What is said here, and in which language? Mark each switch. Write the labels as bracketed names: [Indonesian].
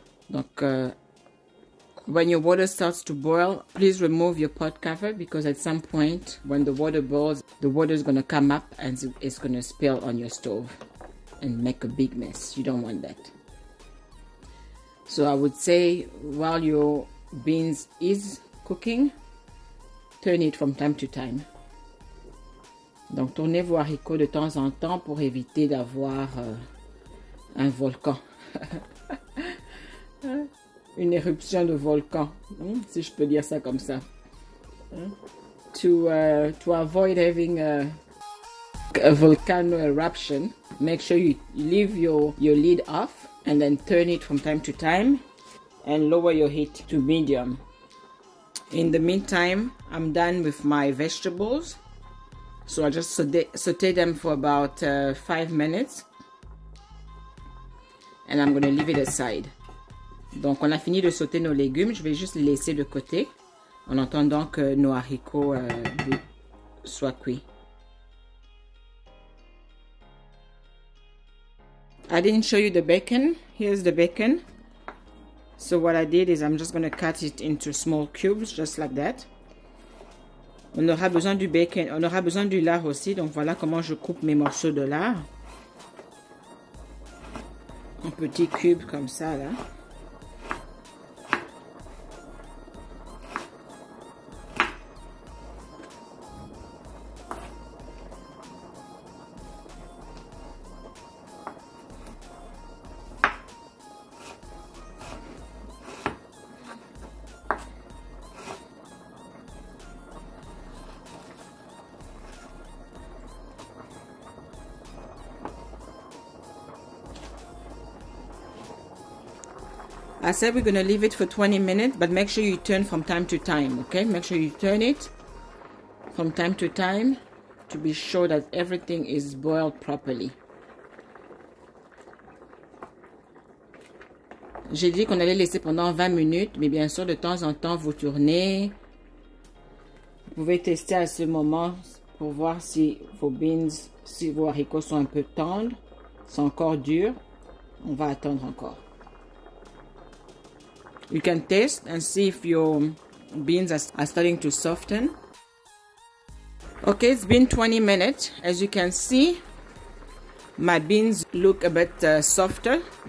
[English] Donc, when your water starts to boil, please remove your pot cover because at some point, when the water boils, the water is going to come up and it's going to spill on your stove and make a big mess. You don't want that. So I would say while your beans is cooking, turn it from time to time. [French] Donc, tournez vos haricots de temps en temps pour éviter d'avoir un volcan. Une éruption de volcan, si je peux dire ça comme ça. [English] To avoid having a volcano eruption, make sure you leave your lid off and then turn it from time to time and lower your heat to medium. In the meantime, I'm done with my vegetables. So I just saute them for about 5 minutes and I'm going to leave it aside. [French] Donc, on a fini de sauter nos légumes. Je vais juste les laisser de côté en attendant que nos haricots soient cuits. [English] I didn't show you the bacon. Here's the bacon. So what I did is I'm just going to cut it into small cubes, just like that. [French] On aura besoin du bacon. On aura besoin du lard aussi. Donc, voilà comment je coupe mes morceaux de lard. En petits cubes comme ça, là. [English] I said we're going to leave it for 20 minutes, but make sure you turn from time to time, okay? Make sure you turn it from time to time to be sure that everything is boiled properly. [French] J'ai dit qu'on allait laisser pendant 20 minutes, mais bien sûr, de temps en temps, vous tournez. Vous pouvez tester à ce moment pour voir si vos beans, si vos haricots sont un peu tendres, sont encore durs. On va attendre encore. [English] You can taste and see if your beans are starting to soften. Okay, it's been 20 minutes. As you can see, my beans look a bit softer.